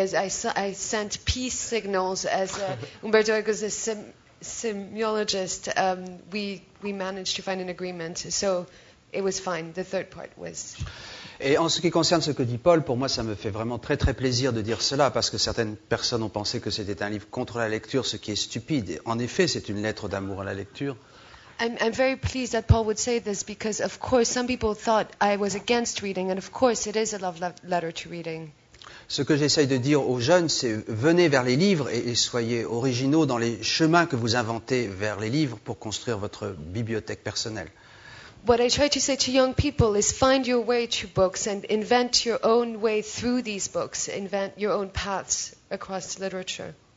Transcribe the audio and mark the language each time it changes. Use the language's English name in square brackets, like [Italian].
[English] As I sent peace signals, as Umberto Eco is a semiologist, we managed to find an agreement. So it was fine. The third part was. [French] Et en ce qui concerne ce que dit Paul, pour moi, ça me fait vraiment très très plaisir de dire cela, parce que certaines personnes ont pensé que c'était un livre contre la lecture, ce qui est stupide. En effet, c'est une lettre d'amour à la lecture. [English] I'm very pleased that Paul would say this, because of course some people thought I was against reading, and of course it is a love letter to reading. [French] Ce que j'essaye de dire aux jeunes, c'est venez vers les livres et soyez originaux dans les chemins que vous inventez vers les livres pour construire votre bibliothèque personnelle. [English] What I try to say to young people is find your way to books and invent your own way through these books, invent your own paths across literature.